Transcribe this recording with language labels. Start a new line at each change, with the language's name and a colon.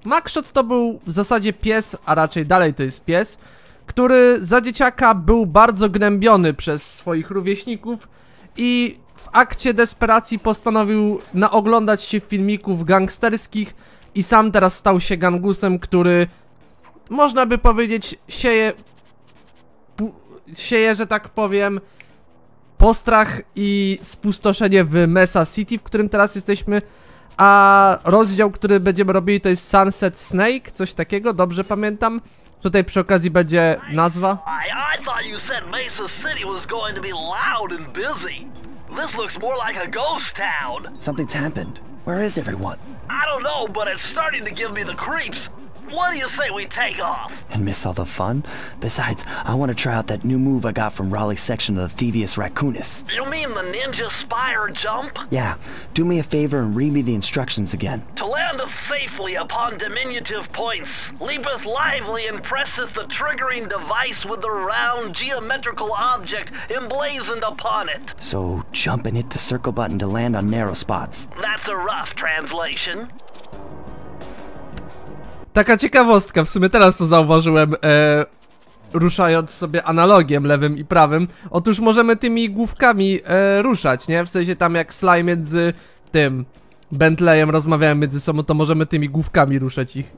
Polish: Mugshot to był w zasadzie pies, a raczej dalej to jest pies, który za dzieciaka był bardzo gnębiony przez swoich rówieśników i w akcie desperacji postanowił naoglądać się filmików gangsterskich i sam teraz stał się gangusem, który, można by powiedzieć, sieje, że tak powiem, postrach i spustoszenie w Mesa City, w którym teraz jesteśmy. A rozdział, który będziemy robili, to jest Sunset Snake, coś takiego, dobrze pamiętam. Tutaj przy okazji będzie nazwa.
English: I thought you said Mesa City was going to be loud and busy. This looks more like a ghost town. Something's happened. Where is everyone? I don't know, but it's starting to give me the creeps. What do you say we take off? And miss all the fun? Besides, I want to try out that new move I got from Raleigh's section of the Thievius Raccoonus. You mean the ninja spire jump? Yeah. Do me a favor and read me the instructions again. To landeth safely upon diminutive points, leapeth lively and presseth the triggering device with the round geometrical object emblazoned upon it. So jump and hit the circle button to land on narrow spots. That's a rough translation.
Polish: Taka ciekawostka, w sumie teraz to zauważyłem, ruszając sobie analogiem lewym i prawym. Otóż możemy tymi główkami ruszać, nie? W sensie tam jak Sly między tym Bentleyem rozmawiałem między sobą, to możemy tymi główkami ruszać ich.